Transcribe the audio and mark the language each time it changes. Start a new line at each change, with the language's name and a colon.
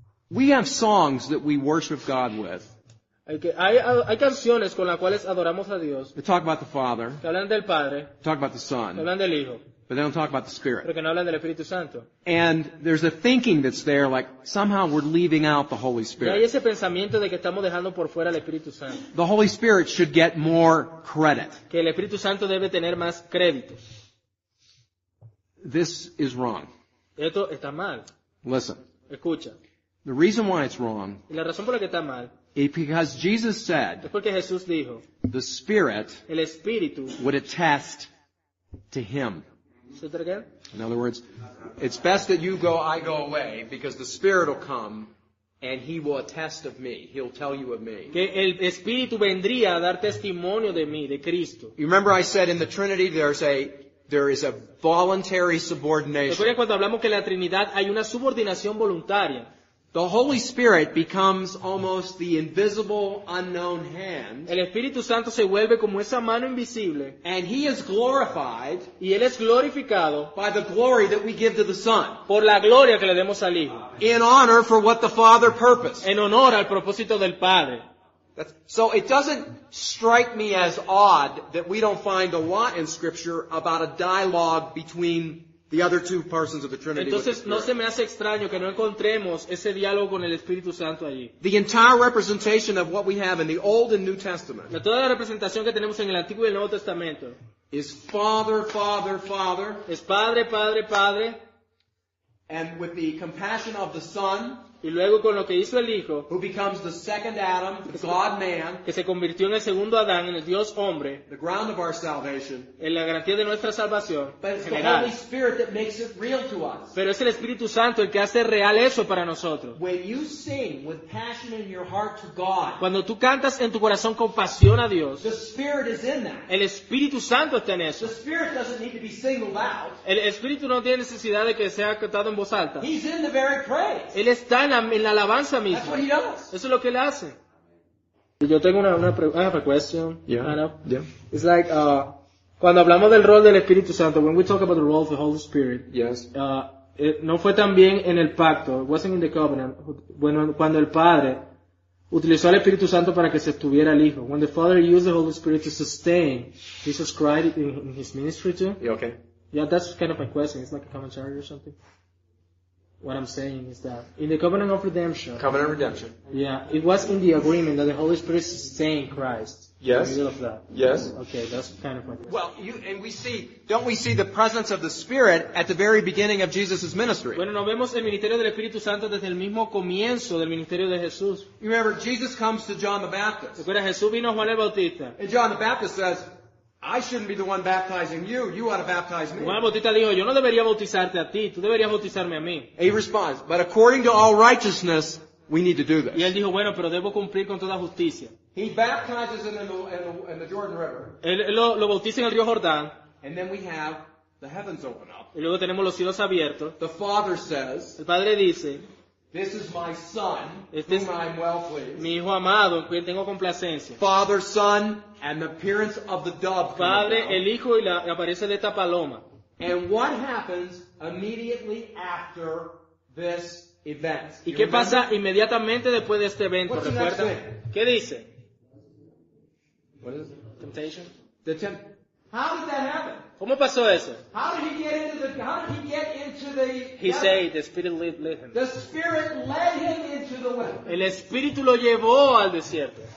English: we have songs that we worship God with.
Spanish: Hay canciones con las cuales adoramos a Dios.
English: They talk about the Father.
Spanish: Que hablan del Padre.
English: Talk about the Son.
Spanish: Que hablan del Hijo.
English: But they don't talk about the Spirit.
Spanish: Pero que no hablan del Espíritu Santo.
English: And there's a thinking that's there, like somehow we're leaving out the Holy Spirit.
Spanish: Y hay ese pensamiento de que estamos dejando por fuera el Espíritu Santo.
English: The Holy Spirit should get more credit.
Spanish: Que el Espíritu Santo debe tener más crédito.
English: This is wrong.
Spanish: Esto está mal.
English: Listen.
Spanish: Escucha.
English: The reason why it's wrong,
Spanish: y la razón por la que está mal,
English: because Jesus said,
Spanish: es porque Jesús dijo,
English: the Spirit,
Spanish: el Espíritu,
English: would attest to him. Say that again? In other words, it's best that you go, I go away, because the Spirit will come and he will attest of me. He'll tell you of me.
Spanish: Que el Espíritu vendría a dar testimonio de mí, de Cristo.
English: You remember I said in the Trinity there is a voluntary subordination.
Spanish: Recuerda cuando hablamos que en la Trinidad hay una subordinación voluntaria.
English: The Holy Spirit becomes almost the invisible, unknown hand.
Spanish: El Espíritu Santo se vuelve como esa mano invisible.
English: And he is glorified,
Spanish: y él es glorificado,
English: by the glory that we give to the Son.
Spanish: Por la gloria que le demos al Hijo.
English: In honor for what the Father purposed.
Spanish: En honor al propósito del Padre.
English: So it doesn't strike me as odd that we don't find a lot in Scripture about a dialogue between the other two persons of the Trinity.
Spanish: Entonces no se me hace extraño que no encontremos ese diálogo con el Espíritu Santo allí.
English: The entire representation of what we have in the Old and New Testament.
Spanish: La toda la representación que tenemos en el Antiguo y el Nuevo Testamento.
English: Is Father, Father, Father.
Spanish: Es Padre, Padre, Padre.
English: And with the compassion of the Son.
Spanish: Y luego con lo que hizo el Hijo.
English: Who becomes the second Adam, the God-Man.
Spanish: Que se convirtió en el segundo Adán, en el Dios hombre.
English: The ground of our salvation.
Spanish: En la garantía de nuestra salvación.
English: But it's the Holy Spirit that makes it real to us.
Spanish: Pero es el Espíritu Santo el que hace real eso para nosotros.
English: When you sing with passion in your heart to God.
Spanish: Cuando tú cantas en tu corazón con pasión a Dios.
English: The Spirit is in that.
Spanish: El Espíritu Santo está en eso.
English: The Spirit doesn't need to be singled out.
Spanish: El Espíritu no tiene necesidad de que sea cantado en voz alta.
English: He's in the very praise.
Spanish: Él está en la alabanza misma. Eso es lo que él hace. Yo tengo una question.
English: Yeah. I know. Yeah. It's like
Spanish: cuando hablamos del rol del Espíritu Santo,
English: when we talk about the role of the Holy Spirit, yes.
Spanish: no fue también en el pacto,
English: it wasn't in the covenant,
Spanish: bueno, cuando el Padre utilizó al Espíritu Santo para que sostuviera al Hijo.
English: When the Father used the Holy Spirit to sustain Jesus Christ in his ministry too. Yeah, okay. Yeah, that's kind of my question. It's like a commentary or something. What I'm saying is that in the covenant of redemption. Covenant of redemption. Yeah, it was in the agreement that the Holy Spirit sustained Christ. Yes. In the middle of that. Yes. Okay, that's kind of my question. Well, don't we see the presence of the Spirit at the very beginning of Jesus' ministry?
Spanish: Bueno, nos vemos el ministerio del Espíritu Santo desde el mismo comienzo del ministerio de Jesús.
English: You remember, Jesus comes to John the Baptist.
Spanish: Recuerda, Jesús vino a Juan el Bautista.
English: And John the Baptist says, I shouldn't be the one baptizing you. You ought to baptize me.
Spanish: Juan Bautista dijo, yo no debería bautizarte a ti. Tú deberías bautizarme a mí.
English: He responds, but according to all righteousness, we need to do this.
Spanish: Y él dijo, bueno, pero debo cumplir con toda justicia.
English: He baptizes in the Jordan River.
Spanish: Él lo bautiza en el río Jordán.
English: And then we have the heavens open up.
Spanish: Y luego tenemos los cielos abiertos.
English: The Father says,
Spanish: el Padre dice,
English: this is my Son, este whom I am well pleased.
Spanish: Mi hijo amado, en quien tengo complacencia.
English: Father, Son, and the appearance of the dove.
Spanish: Padre, el hijo y la aparece de esta paloma.
English: And what happens immediately after this event?
Spanish: ¿Y qué pasa inmediatamente después de este evento?
English: What's the next thing?
Spanish: ¿Qué dice?
English: What is it? Temptation. How did that happen?
Spanish: ¿Cómo pasó eso?
English: How did he get into the heaven? The Spirit led him. The Spirit led him into the wilderness.
Spanish: El Espíritu lo llevó al desierto.